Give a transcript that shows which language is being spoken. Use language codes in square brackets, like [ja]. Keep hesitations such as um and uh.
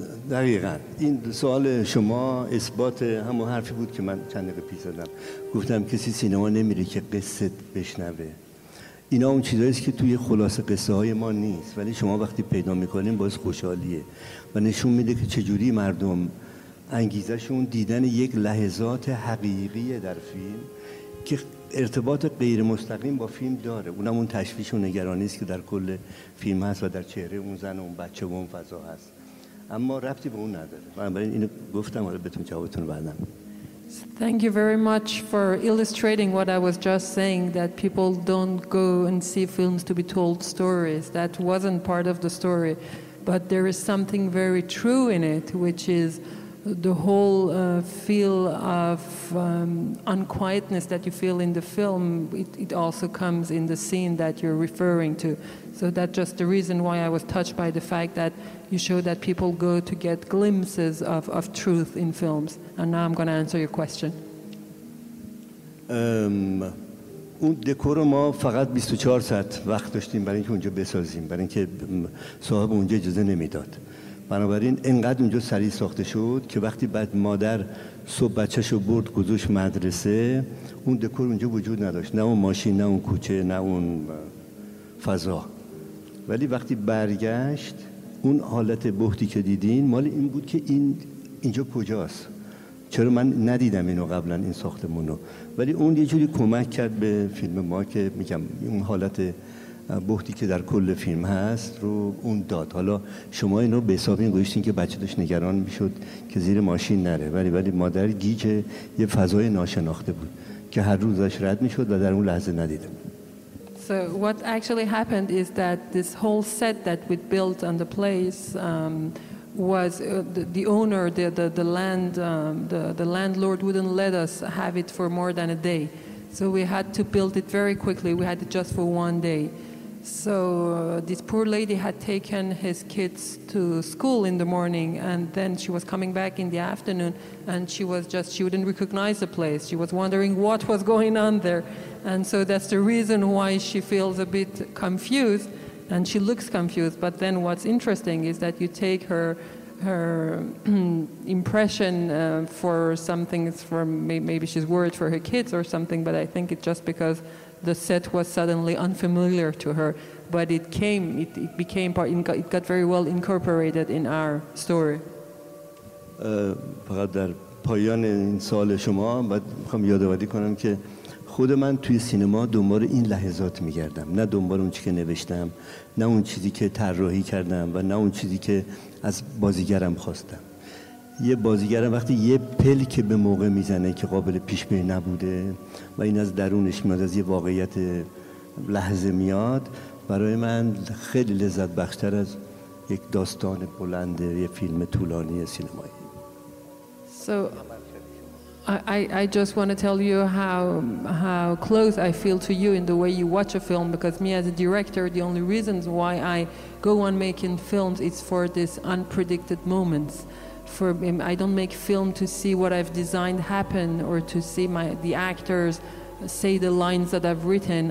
[fa] دقیقا این سوال شما اثبات همون حرفی بود که من چند دقیقه پیش زدم گفتم کسی سینما نمیره که قصه بشنوه اینا اون چیزاییست که توی خلاصه قصه های ما نیست ولی شما وقتی پیدا میکنین باز خوشحالیه و نشون میده که چجوری مردم انگیزشون دیدن یک لحظات حقیقی در فیلم که ارتباط غیر مستقیم با فیلم داره اونم اون تشویش و نگرانی است که در کل فیلم هست و در چهره اون زن و اون بچه و اون فضا هست اما ربطی به اون نداره بنابراین اینو گفتم حالا بهتون جوابتون بعدم [en] Thank you very much for illustrating what I was just saying that people don't go and see films to be told stories. That wasn't part of the story. But there is something very true in it, which is the whole uh, feel of um, unquietness that you feel in the film. It, it also comes in the scene that you're referring to. So that's just the reason why I was touched by the fact that you show that people go to get glimpses of, of truth in films. And now I'm going to answer your question. [fa] ام، اون دکور رو ما فقط 24 ساعت وقت داشتیم برای اینکه اونجا بسازیم برای اینکه م، صاحب اونجا اجازه نمیداد بنابراین انقدر اونجا سریع ساخته شد که وقتی بعد مادر صبح بچهش رو برد گذاشت مدرسه اون دکور اونجا وجود نداشت نه اون ماشین نه اون کوچه نه اون فضا ولی وقتی برگشت اون حالت بهتی که دیدین مال این بود که این اینجا کجاست چرا من ندیدم اینو قبلا این ساختمون رو ولی اون یه جوری کمک کرد به فیلم ما که میگم اون حالت بهتی که در کل فیلم هست رو اون داد حالا شما این رو به حساب این گذاشتین که بچه داشت نگران میشد که زیر ماشین نره ولی ولی مادر گیج یه فضای ناشناخته بود که هر روزش رد میشد و در اون لحظه ندیدم [en] So what actually happened is that this whole set that we built on the place um, was uh, the, the owner, the, the, the land, um, the, the landlord wouldn't let us have it for more than a day. So we had to build it very quickly. We had it just for one day. So uh, this poor lady had taken his kids to school in the morning, and then she was coming back in the afternoon, and she was just she wouldn't recognize the place. She was wondering what was going on there, and so that's the reason why she feels a bit confused, and she looks confused. But then what's interesting is that you take her her impression uh, for something it's from may- maybe she's worried for her kids or something, but I think it's just because the set was suddenly unfamiliar to her. But it came, it, it became part, it got, it got very well incorporated in our story. [fa] اه، فقط در پایان این سال شما بعد میخوام یادآوری کنم که خود من توی سینما دنبال این لحظات میگردم نه دنبال اون چیزی که نوشتم نه اون چیزی که طراحی کردم و نه اون چیزی که از بازیگرم خواستم یه بازیگرم وقتی یه پل که به موقع میزنه که قابل پیش بینی نبوده و این از درونش میاد از یه واقعیت لحظه میاد برای من خیلی لذت بخشتر از یک داستان بلند یه فیلم طولانی سینمایی [en] So I, I, I just want to tell you how, how close I feel to you in the way you watch a film because me as a director, the only reasons why I go on making films is for these unpredicted moments. For um, I don't make film to see what I've designed happen or to see my, the actors say the lines that I've written.